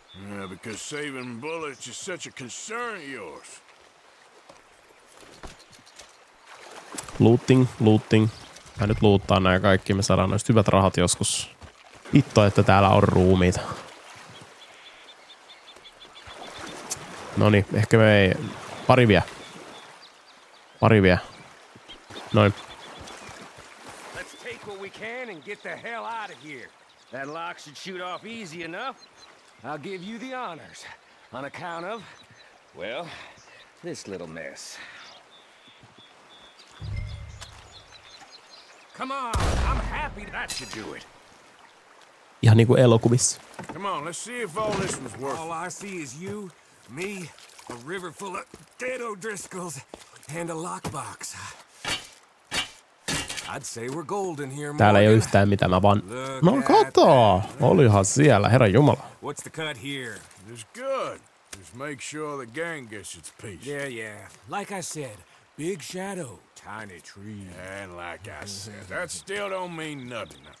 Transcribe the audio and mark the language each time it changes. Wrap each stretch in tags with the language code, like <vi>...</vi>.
<en>Yeah, because saving bullets is such a concern of yours. Looting, looting.</en> <fi>Mä nyt luuttaa nää kaikki, me saadaan noista hyvät rahat joskus. Hitto, että täällä on ruumiita. Noni, ehkä me ei... Pari vielä. Pari vielä. Noin.</fi> <en>Let's take what we can and get the hell out of here. That lock should shoot off easy enough. I'll give you the honors, on account of, well, this little mess. Come on, I'm happy that should do it.</en> <fi>Ihan niinku elokuvissa.</fi> <en>Come on, let's see if all this was worth. All I see is you, me, a river full of dead O'Driscolls, and a lockbox. I'd say we're golden here, Morgan.</en> <fi>Täällä ei ole yhtään mitään, mä vaan... No kato! Olihan siellä, herra jumala.</fi> <en>What's the cut here? It's good. Just make sure the gang gets its piece. Yeah, yeah. Like I said, Big shadow, tiny tree. And like I said, that still don't mean nothing.</en>